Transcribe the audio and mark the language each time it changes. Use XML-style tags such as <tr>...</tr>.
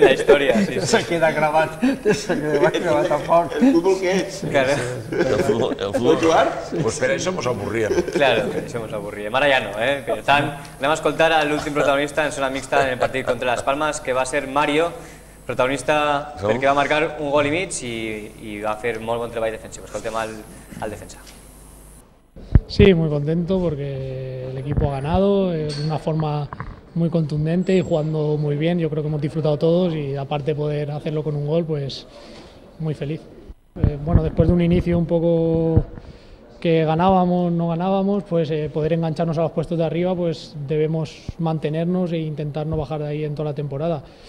<es>La historia. Sí, sí. Se queda grabado, tan fuerte. ¿El fútbol qué es? Claro. ¿El fútbol? ¿Jugar? Pues espera, eso nos aburría. Claro, eso nos aburría. Ahora ya no, ¿eh? Pero tan, vamos a escoltar al último protagonista en zona mixta en el partido contra Las Palmas, que va a ser Mario.</es> <ca>Protagonista perquè va marcar un gol i mig i va fer molt bon treball defensiu. Escoltem al defensa.</ca> <es>Sí, muy contento porque el equipo ha ganado de una forma muy contundente y jugando muy bien. Yo creo que hemos disfrutado todos y aparte poder hacerlo con un gol, pues muy feliz. Bueno, después de un inicio un poco que ganábamos, no ganábamos, pues poder engancharnos a los puestos de arriba, pues debemos mantenernos e intentar no bajar de ahí en toda la temporada.</es>